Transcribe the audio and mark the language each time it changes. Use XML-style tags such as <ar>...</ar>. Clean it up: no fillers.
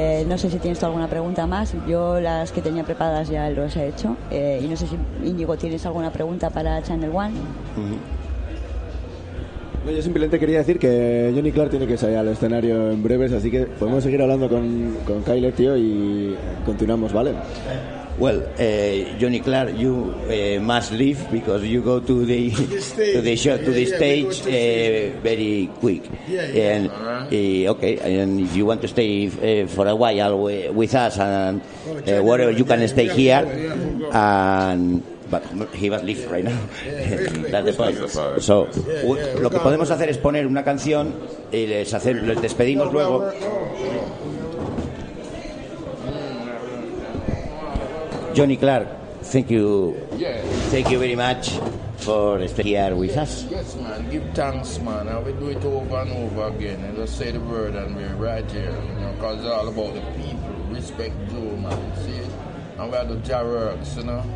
<es>No sé si tienes tú alguna pregunta más. Yo las que tenía preparadas ya las he hecho. Y no sé si, Íñigo, tienes alguna pregunta para Channel One. No, yo simplemente quería decir que Johnny Clark tiene que salir al escenario en breves, así que podemos seguir hablando con Kyler, tío, y continuamos, ¿vale?</es> <en>Well, Johnny Clark, you must leave because you go to the stage. to the stage. Very quick. Okay, and if you want to stay for a while with us and wherever you can stay here, and but he must leave right now. That's the point.</en> <es>So, lo que podemos hacer es poner una canción y les despedimos luego.</es> <en>Johnny Clark, thank you very much for staying here with us. Yes, man, give thanks, man. I will do it over and over again. And just say the word and we're right here, you know, because it's all about the people. Respect Joe, man, see it? And we have the Jarrocks, you know?</en>